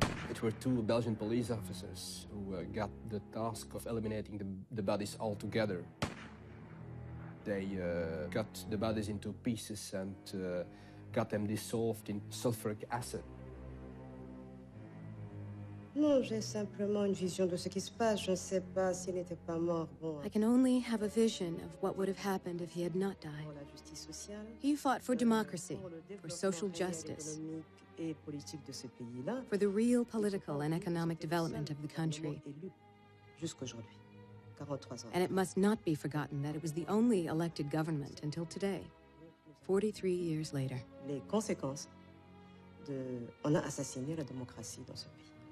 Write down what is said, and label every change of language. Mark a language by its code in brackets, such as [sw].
[en] It were two Belgian police officers who got the task of eliminating the bodies altogether. They cut the bodies into pieces and got them dissolved in sulfuric acid. [fr] Non, j'ai simplement une vision de ce qui se passe. Je ne sais pas s'il n'était pas mort. Bon. [en] I can only have a vision of what would have happened if he had not died. [fr] Pour la justice sociale. [en] He fought for democracy, for social justice, [fr] et politique de ce pays-là, [en] for the real political and economic development of the country. [fr] Jusqu'aujourd'hui, 43 ans. [en] And it must not be forgotten that it was the only elected government until today. 43 years later. [fr] Les conséquences de... On a assassiné la démocratie dans ce pays.